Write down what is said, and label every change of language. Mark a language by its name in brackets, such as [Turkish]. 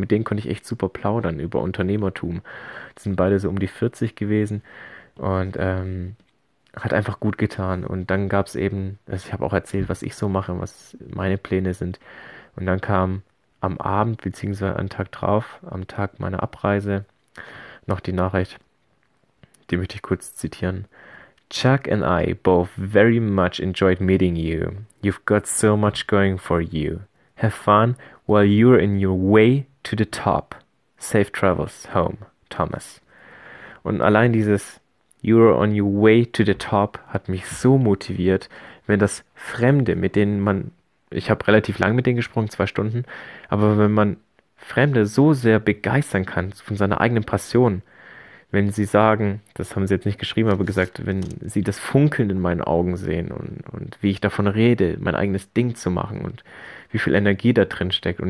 [German] Mit denen konnte ich echt super plaudern über Unternehmertum. Die sind beide so um die 40 gewesen und hat einfach gut getan. Und dann gab es eben, also ich habe auch erzählt, was ich so mache, was meine Pläne sind. Und dann kam am Abend, beziehungsweise am Tag drauf, am Tag meiner Abreise, noch die Nachricht, die möchte ich kurz zitieren. [English] Chuck and I both very much enjoyed meeting you. You've got so much going for you. Have fun while you're in your way to the top. Safe travels home, Thomas. [German] Und allein dieses [English] "You're on your way to the top" [German] hat mich so motiviert, wenn das Fremde, mit denen man, ich habe relativ lang mit denen gesprungen, 2 Stunden, aber wenn man Fremde so sehr begeistern kann von seiner eigenen Passion, wenn sie sagen, das haben sie jetzt nicht geschrieben, aber gesagt, wenn sie das Funkeln in meinen Augen sehen und wie ich davon rede, mein eigenes Ding zu machen und wie viel Energie da drin steckt.